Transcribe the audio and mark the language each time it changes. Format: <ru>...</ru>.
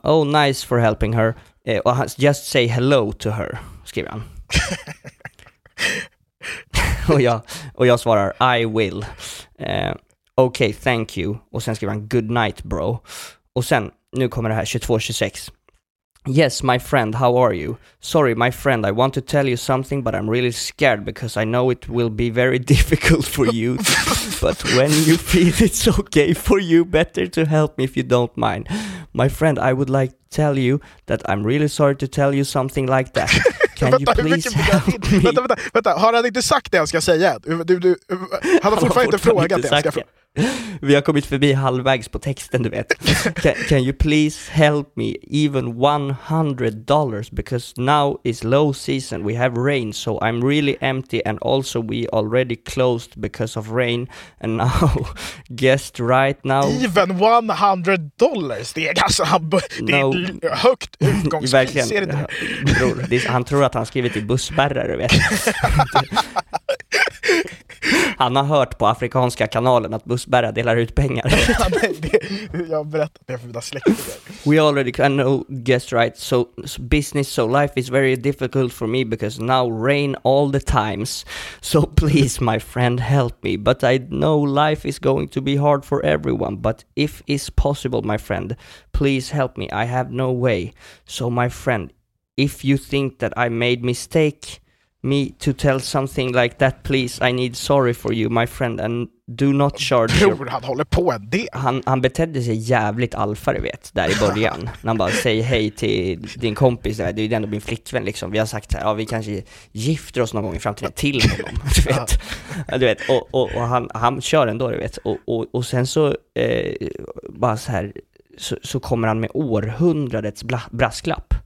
<en>Oh nice for helping her. Just say hello to her,</en> <sv>skriver han. och jag svarar</sv> <en>I will. Okay, thank you.</en> <sv>Och sen skriver han</sv> <en>good night bro.</en> <sv>Och sen, nu kommer det här 22:26.</sv> <en>Yes, my friend, how are you? Sorry, my friend, I want to tell you something but I'm really scared because I know it will be very difficult for you. But when you feel it's okay for you, better to help me if you don't mind. My friend, I would like to tell you that I'm really sorry to tell you something like that. Can you please help me?</en> <sv>Vänta, har han inte sagt det jag ska säga? Du, han har fortfarande inte frågat det jag ska få. Vi har kommit förbi halvvägs på texten, du vet.</sv> <en>Can you please help me even $100 because now is low season, we have rain, so I'm really empty and also we already closed because of rain and now guest right now. Even $100,</en> <sv>det är alltså högt utgångspris. Verkligen, bror, han tror att han skrivit i bussbärrar, du vet. Han har hört på afrikanska kanalen att bussbärra delar ut pengar. Jag har berättat det för mina släktingar.</sv> <en>We already know, guess right. So business, so life is very difficult for me because now rain all the times. So please my friend help me. But I know life is going to be hard for everyone. But if it's possible my friend, please help me. I have no way. So my friend, if you think that I made mistake... me to tell something like that, please. I need sorry for you, my friend. And do not charge your...</en> <sv>Han håller på en del. Han betedde sig jävligt alfa, du vet, där i början. När han bara säger hej till din kompis. Det är ju ändå min flickvän, liksom. Vi har sagt här, ja, vi kanske gifter oss någon gång i framtiden till honom, du vet. Du vet. Och han kör ändå, du vet. Och sen så bara så här, så kommer han med århundradets brasklapp.</sv>